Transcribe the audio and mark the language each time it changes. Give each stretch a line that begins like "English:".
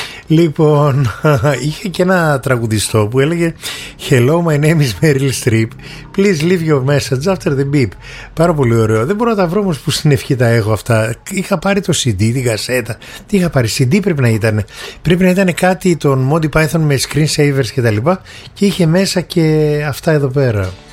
Greek: Λοιπόν, είχε και ένα τραγουδιστό που έλεγε
English: «Hello, my name is Meryl Streep. Please leave your message after the beep».
Greek: Πάρα πολύ ωραίο. Δεν μπορώ να τα βρω όμως που στην ευχή τα έχω αυτά. Είχα πάρει το CD, την κασέτα. Τι είχα πάρει, CD πρέπει να ήταν. Πρέπει να ήταν κάτι των Monty Python με screen savers και τα λοιπά. Και είχε μέσα και αυτά εδώ πέρα.